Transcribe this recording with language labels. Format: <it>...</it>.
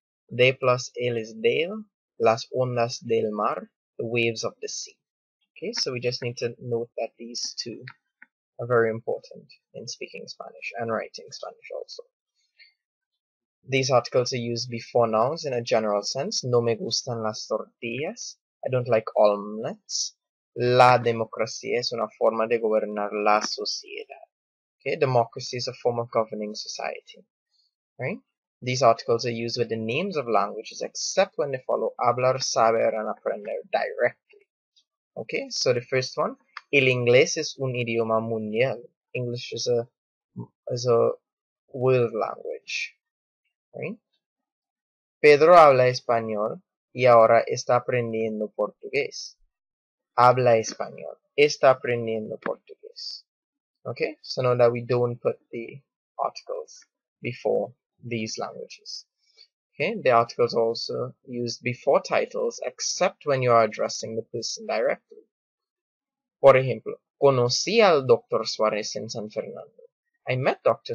<en>De plus el is del.</en> <es>Las ondas del mar.</es> <en>The waves of the sea. Okay, so we just need to note that these two are very important in speaking Spanish and writing Spanish also. These articles are used before nouns in a general sense.</en> <es>No me gustan las tortillas.</es> <en>I don't like omelets.</en> <es>La democracia es una forma de gobernar la sociedad.</es> <en>Okay, democracy is a form of governing society, right? These articles are used with the names of languages except when they follow hablar, saber, and aprender directly. Okay, so the first one,</en> <es>el inglés es un idioma mundial.</es> <en>English is a world language, right?</en> <es>Pedro habla español y ahora está aprendiendo portugués. Habla español, está aprendiendo portugués.</es> <en>Okay, so now that we don't put the articles before these languages. Okay, the articles are also used before titles except when you are addressing the person directly.</en> <es>Por ejemplo, conocí al Dr. Suárez en San Fernando.</es> <en>I met Dr.</en>